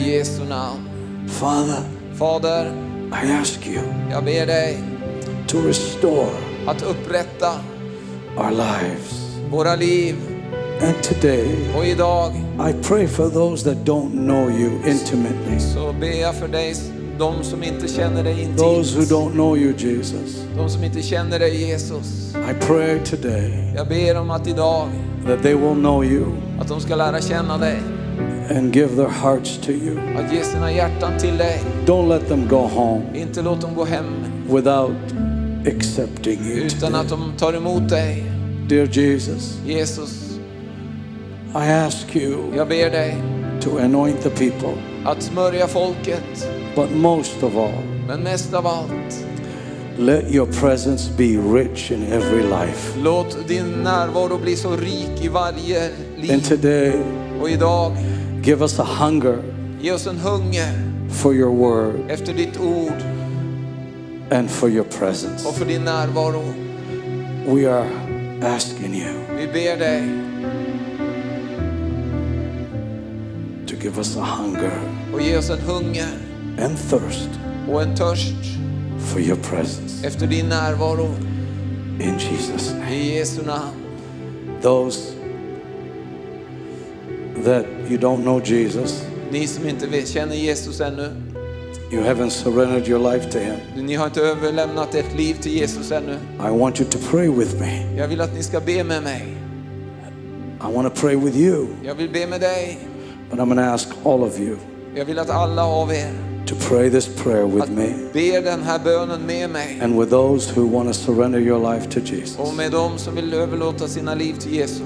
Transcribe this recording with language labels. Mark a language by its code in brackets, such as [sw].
[sv] I Jesu namn. [en] Father. [sv] Fader. [en] I ask you. [sv] Jag ber dig. [en] To restore. [sv] Att upprätta. [en] Our lives. [sv] Våra liv. [en] And today, [sv] och idag, [en] I pray for those that don't know you intimately. [sv] Så ber jag för dig, de som inte känner dig intimt. [en] Those who don't know you, Jesus. [sv] De som inte känner dig, Jesus. [en] I pray today. [sv] Jag ber om att idag, [en] that they will know you. [sv] Att de ska lära känna dig. [en] And give their hearts to you. [sv] Att ge sina hjärtan till dig. [en] Don't let them go home. [sv] Inte låt dem gå hem. [en] Without accepting you. [sv] Utan [en] today. [sv] Att de tar emot dig. [en] Dear Jesus. [sv] Jesus. [en] I ask you, [sv] jag ber dig, [en] to anoint the people, [sv] att smörja folket, [en] but most of all, [sv] men mest av allt, [en] let your presence be rich in every life. [sv] Låt din närvaro bli så rik i varje liv. [en] And today, [sv] och idag, [en] give us a hunger, [sv] ge oss en hunger, [en] for your word, [sv] efter ditt ord, [en] and for your presence, [sv] och för din närvaro. [en] We are asking you, [sv] vi ber dig. [en] Give us a hunger [sv] och ge oss en hunger [en] and thirst [sv] och en törst [en] for your presence [sv] efter din närvaro [en] in Jesus name. [sv] I Jesu namn. [en] Those that you don't know Jesus, [sv] ni som inte känner Jesus ännu, [en] you haven't surrendered your life to him, [sv] ni har inte överlämnat ert liv till Jesus ännu, [en] I want you to pray with me. [sv] Jag vill att ni ska be med mig. [en] I want to pray with you. [sv] Jag vill be med dig. [en] But I'm going to ask all of you, [sv] jag vill att alla av er, [en] to pray this prayer with me. [sv] Be den här bönen med mig. [en] And with those who want to surrender your life to Jesus. [sv] Och med dem som vill överlåta sina liv till Jesus.